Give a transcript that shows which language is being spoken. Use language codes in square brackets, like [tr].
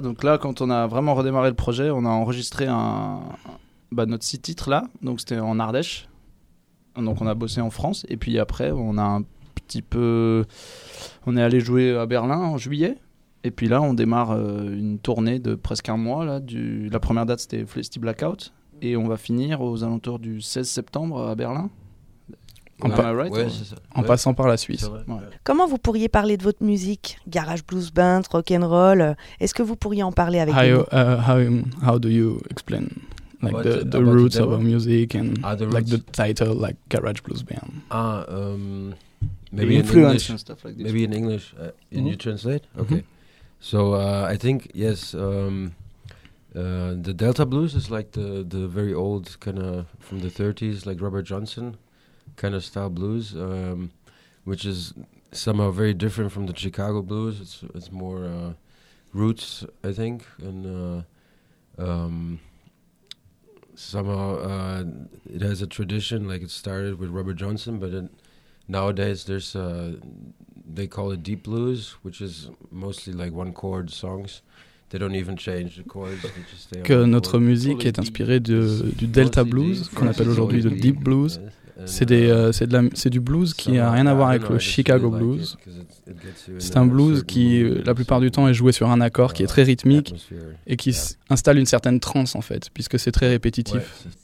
[fr] Donc là, quand on a vraiment redémarré le projet, on a enregistré notre 6 titres là, donc c'était en Ardèche, donc on a bossé en France, et puis après on est allé jouer à Berlin en juillet, et puis là on démarre une tournée de presque 1 mois, la première date c'était Flesty Blackout, et on va finir aux alentours du 16 septembre à Berlin. En passant par la Suisse. Ouais. Comment vous pourriez parler de votre musique, garage blues band, rock and roll? Est-ce que vous pourriez en parler avec nous? [en] How do you explain like about the roots of our music and like the title like garage blues band? Maybe in English. And stuff like this. Maybe in English. Mm-hmm. You translate? Okay. Mm-hmm. So I think yes. The Delta blues is like the very old kind of from the 30s, like Robert Johnson. Kind of style blues, which is somehow very different from the Chicago blues. It's more roots, I think, and somehow it has a tradition. Like it started with Robert Johnson, but it, nowadays there's they call it deep blues, which is mostly like one chord songs. They don't even change the chords. They just stay [fr] que notre musique est inspirée de du Delta blues, qu'on appelle aujourd'hui le deep blues. C'est du blues qui n'a rien à voir avec le Chicago blues. C'est un blues qui, la plupart du temps, est joué sur un accord qui est très rythmique et qui installe une certaine transe, en fait, puisque c'est très répétitif.